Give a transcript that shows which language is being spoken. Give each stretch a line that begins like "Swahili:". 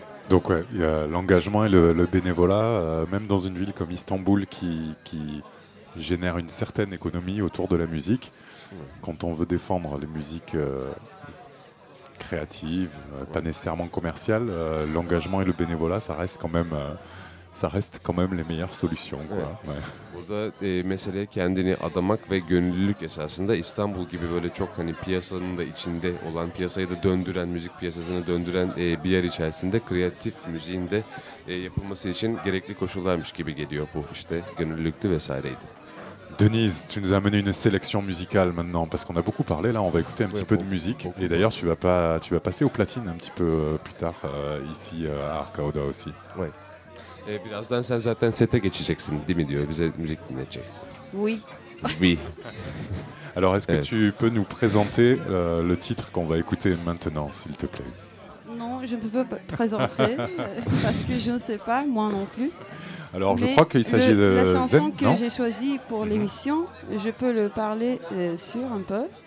French: Donc ouais, il y a l'engagement et le bénévolat, même dans une ville comme Istanbul qui génère une certaine économie autour de la musique, quand on veut défendre les musiques créatives, pas nécessairement commerciales, l'engagement et le bénévolat, ça reste quand même les meilleures solutions. Quoi. Evet. Ouais.
Turkish: Burada meseleye kendini adamak ve gönüllülük esasında İstanbul gibi böyle çok hani piyasanın da içinde olan piyasayı da döndüren, müzik piyasasını döndüren bir yer içerisinde kreatif müziğin de yapılması için gerekli koşullarmış gibi geliyor bu işte gönüllülüktü vesaireydi.
French: Denise, tu nous amènes une sélection musicale maintenant parce qu'on a beaucoup parlé là, on va écouter un petit peu de musique et d'ailleurs tu vas passer au platine un petit peu plus tard ici à Arkaoda aussi. Ouais.
Turkish: Birazdan sen zaten sete geçeceksin, değil mi diyor? Bize müzik dinleteceksin.
French: Oui. Oui. Alors, est-ce que tu peux nous présenter le titre qu'on va écouter maintenant, s'il te plaît? Non, je ne peux pas présenter parce que je ne sais pas, moi non plus. Alors, je crois qu'il s'agit de la chanson que j'ai choisie pour l'émission. Je peux le parler sur un peu.